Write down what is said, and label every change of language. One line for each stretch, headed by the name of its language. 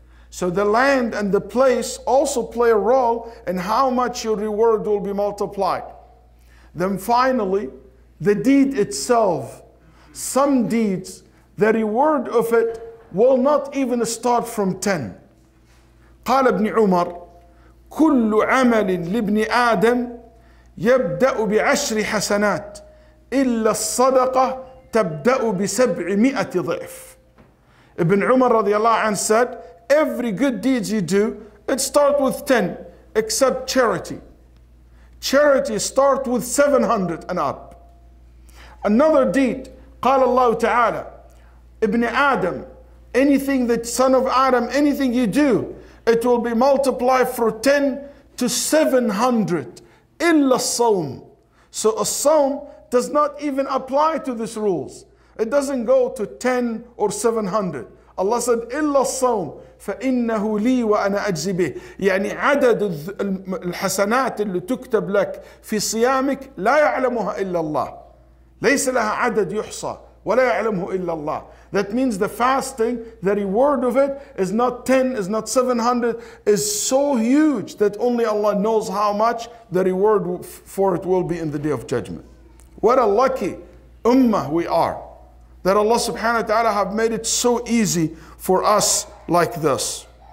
English: So the land and the place also play a role in how much your reward will be multiplied. Then finally, the deed itself. Some deeds, the reward of it will not even start from 10.
Arabic: قال ابن عمر كل عمل لابن آدم يبدأ بعشر حسنات إلا الصدقة تبدأ بسبعمائة ضعف.
English: Ibn Umar
Arabic: رضي الله عنه
English: said, every good deed you do, it starts with 10, except charity. Charity starts with 700 and up. Another deed,
Arabic: قال الله تعالى, ابن آدم,
English: anything that son of Adam, anything you do, it will be multiplied from 10 to 700.
Arabic: إِلَّا الصَّوْمِ.
English: So a psalm does not even apply to these rules. It doesn't go to 10 or 700. Allah said,
Arabic: إِلَّا الصَّوْمِ فَإِنَّهُ لِي وَأَنَا أَجْزِ بِهِ. يعني عدد الحسنات اللي تكتب لك في صيامك لا يعلمها إلا الله. ليس لها عدد يحصى ولا يعلمه إلا الله.
English: That means the fasting, the reward of it is not 10, is not 700, is so huge that only Allah knows how much the reward for it will be in the Day of Judgment. What a lucky ummah we are that Allah subhanahu wa ta'ala have made it so easy for us like this.